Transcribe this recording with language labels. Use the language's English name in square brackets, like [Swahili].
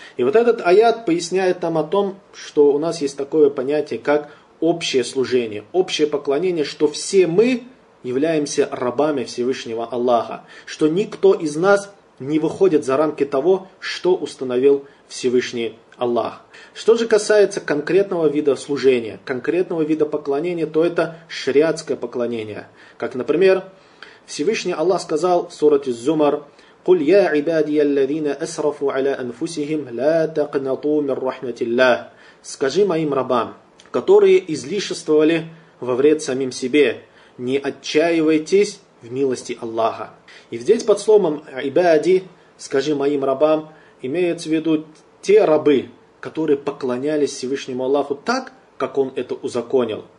[Russian] И вот этот аят поясняет нам о том, что у нас есть такое понятие, как общее служение, общее поклонение, что все мы являемся рабами Всевышнего Аллаха, что никто из нас не выходит за рамки того, что установил Всевышний Аллах. Что же касается конкретного вида служения, конкретного вида поклонения, то это шариатское поклонение. Как, например, Всевышний Аллах сказал в сурате Зумар, [Arabic] قل يا عبادي الذين أسرفوا على أنفسهم لا تقنطوا من رحمة الله. [Russian] Скажи моим рабам, которые излишествовали во вред самим себе, не отчаивайтесь в милости Аллаха. И здесь под словом «ибади», «скажи моим рабам», имеется в виду те рабы, которые поклонялись Всевышнему Аллаху так, как Он это узаконил.